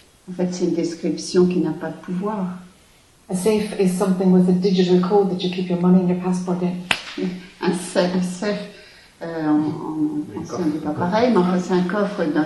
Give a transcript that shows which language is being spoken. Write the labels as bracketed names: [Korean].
[French] En fait, c'est une description qui n'a pas de pouvoir. [English] A safe is something with a digital code that you keep your money and your passport in. [French] Un safe, c'est pas pareil, mais enfin, c'est un coffre.